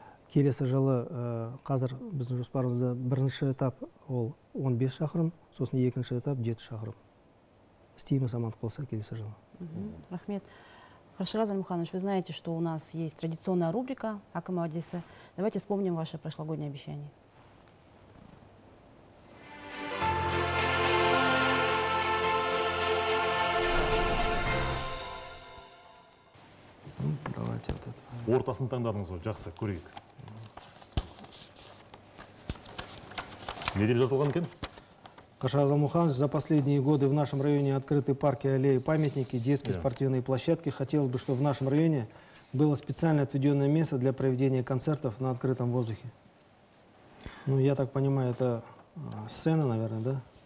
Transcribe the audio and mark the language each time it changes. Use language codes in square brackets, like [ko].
[kk] Келесі жылы қазір біздің жоспарымызда бірінші этап ол 15 шақырым, сосын екінші этап 7 шақырым. Істейміз, амандық болса келесі жылы. Рахмет. [ru] Хорошо, Зәлімханович, вы знаете, что у нас есть традиционная рубрика «Әкім әудесі». Давайте вспомним ваше прошлогоднее обещание. [kk] Ортасын таңдадыңыз ғой, жақсы, көрейік. Не деп жазылған екен? [ru] Қаршыға Зәлімханович, за последние годы в нашем районе открыты парки, аллеи, памятники, детские спортивные площадки. Хотелось бы, чтобы в нашем районе было специально отведенное место для проведения концертов на открытом воздухе. Ну, я так понимаю, это сцена, наверное, да?